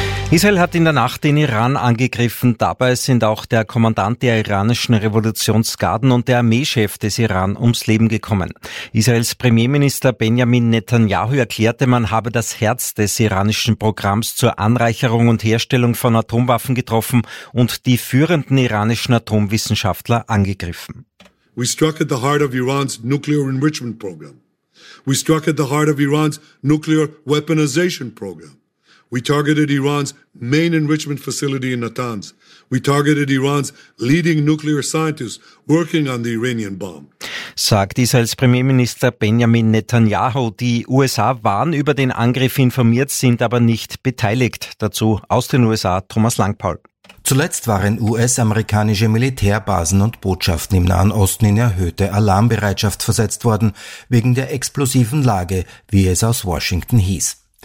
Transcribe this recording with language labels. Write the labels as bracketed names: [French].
[German] Israel hat in der Nacht den Iran angegriffen. Dabei sind auch der Kommandant der iranischen Revolutionsgarden und der Armeechef des Iran ums Leben gekommen. Israels Premierminister Benjamin Netanyahu erklärte, man habe das Herz des iranischen Programms zur Anreicherung und Herstellung von Atomwaffen getroffen und die führenden iranischen Atomwissenschaftler angegriffen. [English] We struck at the heart of Iran's nuclear enrichment program. We struck at the heart of Iran's nuclear weaponization program. We targeted Iran's main enrichment facility in Natanz. We targeted Iran's leading nuclear scientists working on the Iranian bomb. [German] Sagt Israels Premierminister Benjamin Netanyahu. Die USA waren über den Angriff informiert, sind aber nicht beteiligt. Dazu aus den USA Thomas Langpaul. Zuletzt waren US-amerikanische Militärbasen und Botschaften im Nahen Osten in erhöhte Alarmbereitschaft versetzt worden, wegen der explosiven Lage, wie es aus Washington hieß.